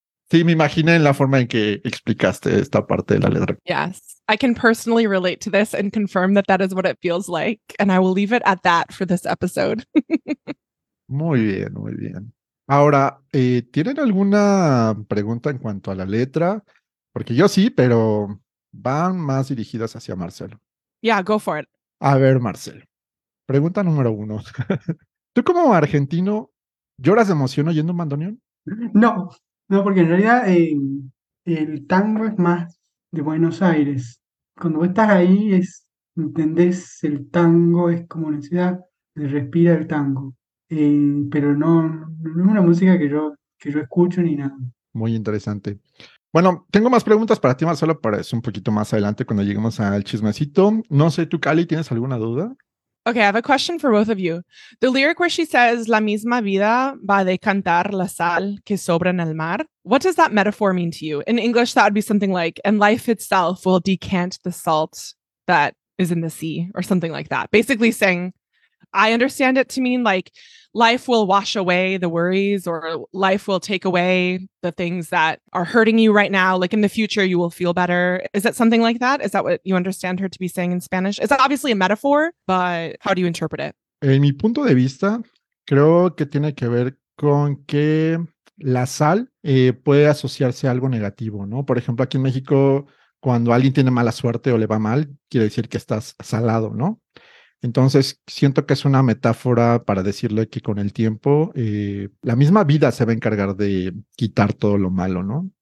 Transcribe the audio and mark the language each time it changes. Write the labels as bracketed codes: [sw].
[es] Sí, me imaginé en la forma en que explicaste esta parte de la letra. [en] Yes, I can personally relate to this and confirm that that is what it feels like. And I will leave it at that for this episode. [es] Muy bien, muy bien. Ahora, ¿tienen alguna pregunta en cuanto a la letra? Porque yo sí, pero van más dirigidas hacia Marcelo. [en] Yeah, go for it. [es] A ver, Marcelo. Pregunta número uno. ¿Tú como argentino lloras de emoción oyendo un bandoneón? No. No, porque en realidad el tango es más de Buenos Aires. Cuando vos estás ahí, entendés el tango, es como una ciudad, se respira el tango. Pero no es una música que yo escucho ni nada. Muy interesante. Bueno, tengo más preguntas para ti, Marcelo, para eso un poquito más adelante cuando lleguemos al chismecito. No sé, tú, Cali, ¿tienes alguna duda? [en] Okay, I have a question for both of you. The lyric where she says, [es] la misma vida va de cantar la sal que sobra en el mar. [en] What does that metaphor mean to you? In English, that would be something like, and life itself will decant the salt that is in the sea, or something like that. Basically saying, I understand it to mean like, life will wash away the worries, or life will take away the things that are hurting you right now. Like, in the future, you will feel better. Is that something like that? Is that what you understand her to be saying in Spanish? Is that obviously a metaphor, but how do you interpret it? [es] En mi punto de vista, creo que tiene que ver con que la sal puede asociarse a algo negativo, ¿no? Por ejemplo, aquí en México, cuando alguien tiene mala suerte o le va mal, quiere decir que estás salado, ¿no? Entonces, siento que es una metáfora para decirle que con el tiempo, la misma vida se va a encargar de quitar todo lo malo, ¿no?